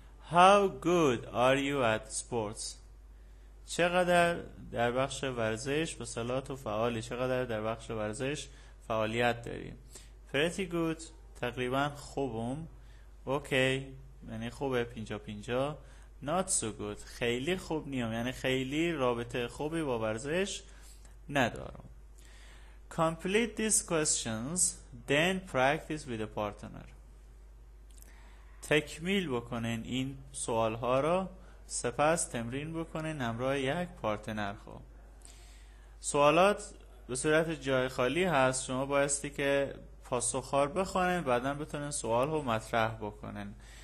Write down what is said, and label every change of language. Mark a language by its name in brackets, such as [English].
[English] How good are you at sports؟ [Persian] چقدر در بخش ورزش به صلاح تو فعالی؟ چقدر در بخش ورزش فعالیت داری؟ [English] Pretty good، [Persian] تقریبا خوبم. Okay، یعنی خوبه، 50-50. [English] Not so good، [Persian] خیلی خوب نیام، یعنی خیلی رابطه خوبی با ورزش ندارم. [English] Complete these questions then practice with a partner. [Persian] تکمیل بکنین این سوال ها را، سپس تمرین بکنین همراه یک پارتنر. خب سوالات به صورت جای خالی هست، شما بایستی که پاسخ ها بخونین، بعدا بتونین سوال رو مطرح بکنین.